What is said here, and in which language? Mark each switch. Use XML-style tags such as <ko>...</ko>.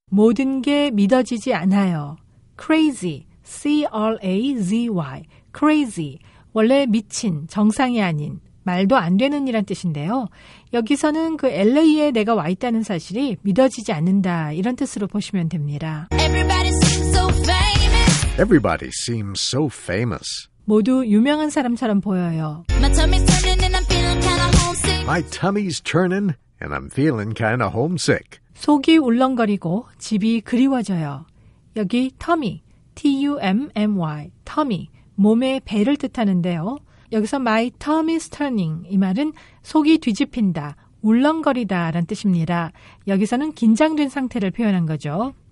<ko>모든 게 믿어지지 않아요. Crazy, C-R-A-Z-Y, crazy, 원래 미친, 정상이 아닌, 말도 안 되는 이란 뜻인데요. 여기서는 그 LA에 내가 와 있다는 사실이 믿어지지 않는다 이런 뜻으로 보시면 됩니다.</ko> <en>Everybody seems so famous. Everybody seems so famous.</en> <ko>모두 유명한 사람처럼 보여요.</ko> <en>My tummy's turning and I'm feeling kind of homesick. My tummy's turning and I'm feeling kind of homesick.</en> <ko>속이 울렁거리고 집이 그리워져요. 여기 tummy, T-U-M-M-Y, tummy, 몸의 배를 뜻하는데요. 여기서</ko> <en>my tummy's turning</en> <ko>이 말은 속이 뒤집힌다, 울렁거리다 라는 뜻입니다. 여기서는 긴장된 상태를 표현한 거죠.</ko>